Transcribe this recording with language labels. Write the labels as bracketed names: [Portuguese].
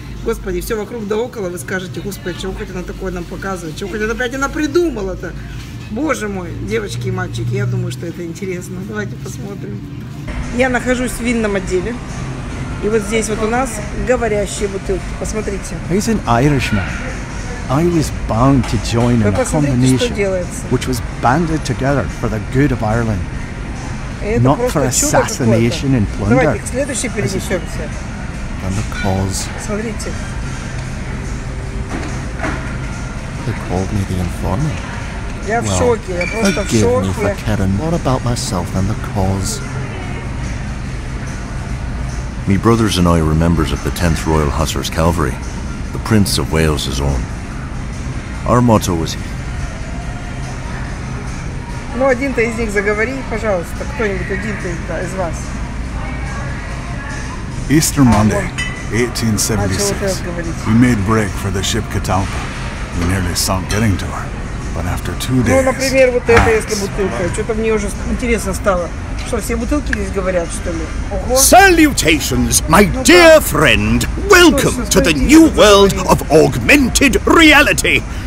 [Russian] Господи, все вокруг да около, вы скажете, господи, чего хоть она такое нам показывает, чего хоть она придумала-то. Боже мой, девочки и мальчики, я думаю, что это интересно. Давайте посмотрим. Я нахожусь в винном отделе, и вот здесь вот у нас говорящие бутылки, посмотрите. [English] He's an Irishman. I was bound to join in a combination, which was banded together for the good of Ireland. [Russian] Это [English] not for assassination and plunder. [Russian] Давайте к следующей перенесемся. [English] And the cause. [Russian] Смотрите. [English] They called me the informer. [Russian] Я в шоке, я просто в шоке. [English] Forgive me for caring more about myself and the cause. Me brothers and I are members of the 10th Royal Hussars Cavalry, the Prince of Wales' own. Our motto was... [Russian] Ну, один-то из них заговори, пожалуйста, кто-нибудь, один-то из вас. [English] Easter Monday, 1876, we made break for the ship Catalpa. We nearly sunk getting to her, but after two days... [Russian] Ну, например, вот это, если бутылка, что-то мне уже интересно стало. Что, все бутылки здесь говорят, что ли? Ого. [English] Salutations, my dear friend! Welcome to the new world of augmented reality!